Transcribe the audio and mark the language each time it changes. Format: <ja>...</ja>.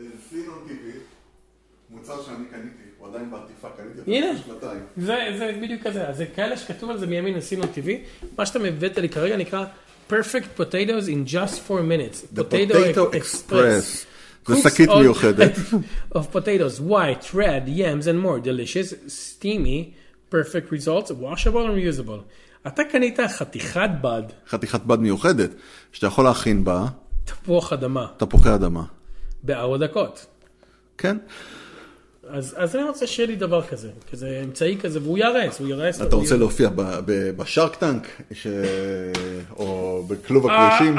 <he>סינון טיווי, מוצר שאני קניתי, הוא עדיין בעטיפה, קניתי אותו בשנתיים. הנה, זה בדיוק כזה, זה כאלה שכתוב על זה מימין לסינון טיווי, מה שאתה מבאת לי כרגע נקרא Perfect Potatoes in Just 4 Minutes. The Potato Express. זה שקית מיוחדת.</he> <en>Of potatoes, white, red, yams and more, delicious, steamy, perfect results, washable and reusable.</en> <he>אתה קנית חתיכת בד. חתיכת בד מיוחדת, שאתה יכול להכין בה. תפוח אדמה. תפוחי אדמה. בארבע דקות. כן. אז אני רוצה שיהיה לי דבר כזה, כזה אמצעי כזה, והוא ירס, הוא ירס. אתה רוצה להופיע בשארק טנק, או בכלוב הקרישים?</he>